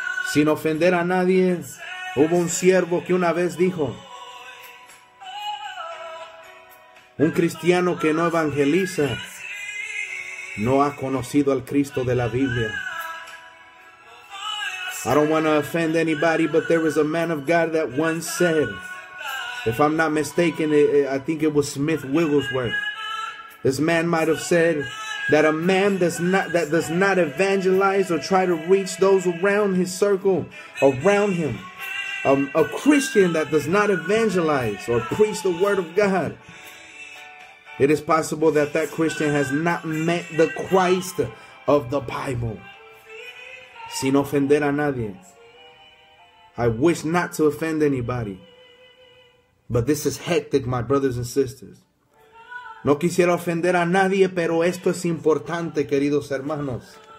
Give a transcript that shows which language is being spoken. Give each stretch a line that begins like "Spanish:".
Spanish: Sin ofender a nadie, hubo un siervo que una vez dijo, un cristiano que no evangeliza no ha conocido al Cristo de la Biblia.
English: I don't want to offend anybody, but there was a man of God that once said, if I'm not mistaken, I think it was Smith Wigglesworth. This man might have said that a man does not evangelize or try to reach those around his circle, around him. A Christian that does not evangelize or preach the word of God. It is possible that that Christian has not met the Christ of the Bible.
Spanish: Sin ofender a nadie.
English: I wish not to offend anybody. But this is hectic, my brothers and sisters.
Spanish: No quisiera ofender a nadie, pero esto es importante, queridos hermanos.